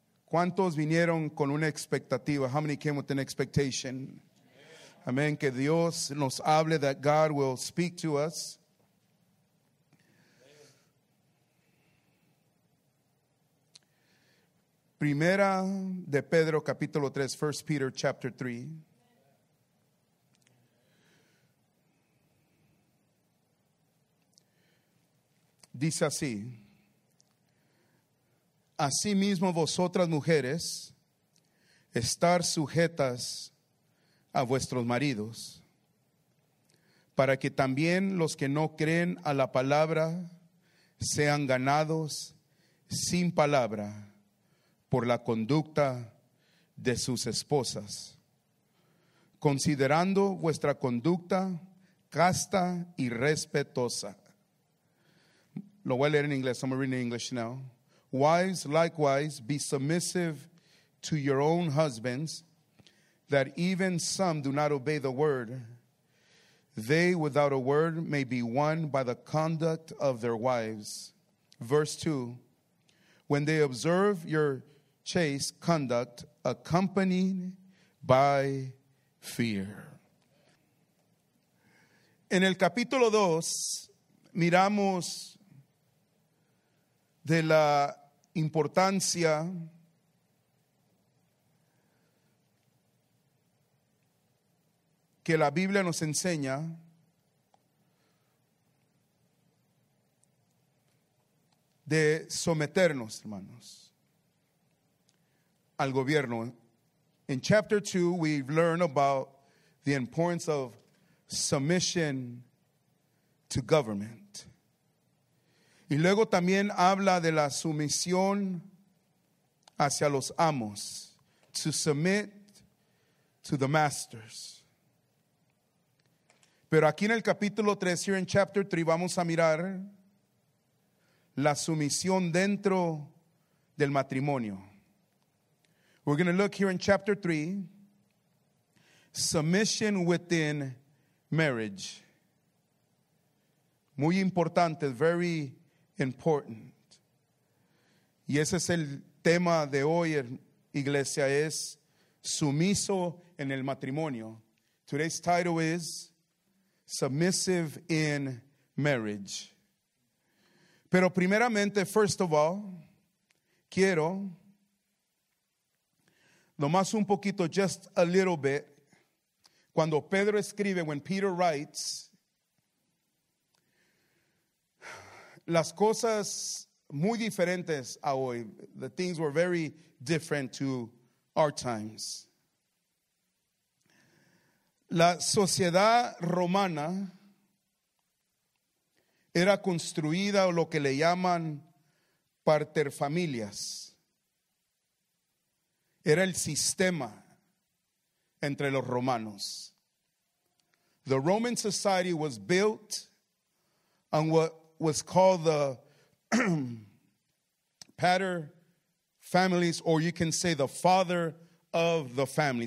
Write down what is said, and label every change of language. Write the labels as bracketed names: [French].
[Spanish] ¿Cuántos vinieron con una expectativa? [English] How many came with an expectation? Amén. [Spanish] Que Dios nos hable, [English] that God will speak to us. [Spanish] Primera de Pedro, capítulo 3, [English] 1 Peter, chapter 3. [Spanish] Dice así. Asimismo vosotras mujeres, estar sujetas a vuestros maridos, para que también los que no creen a la palabra sean ganados sin palabra por la conducta de sus esposas, considerando vuestra conducta casta y respetuosa. Lo voy a leer en inglés. [English] I'm reading in English now. Wives, likewise, be submissive to your own husbands, that even some do not obey the word, they without a word may be won by the conduct of their wives. Verse 2, when they observe your chaste conduct, accompanied by fear. [Spanish] En el capítulo 2, miramos de la importancia que la Biblia nos enseña de someternos, hermanos, al gobierno. [English] In chapter 2, we've learned about the importance of submission to government. [Spanish] Y luego también habla de la sumisión hacia los amos. [English] To submit to the masters. [Spanish] Pero aquí en el capítulo 3, [English] here in chapter 3, [Spanish] vamos a mirar la sumisión dentro del matrimonio. [English] We're going to look here in chapter 3, submission within marriage. [Spanish] Muy importante, [English] very important. [Spanish] Y ese es el tema de hoy, iglesia, es sumiso en el matrimonio. [English] Today's title is Submissive in Marriage. [Spanish] Pero primeramente, [English] first of all, [Spanish] quiero nomás un poquito, [English] just a little bit, [Spanish] cuando Pedro escribe, [English] when Peter writes, [Spanish] las cosas muy diferentes a hoy. [English] The things were very different to our times. [Spanish] La sociedad romana era construida o lo que le llaman paterfamilias. Era el sistema entre los romanos. [English] The Roman society was built on what was called the pater families, or you can say the father of the family.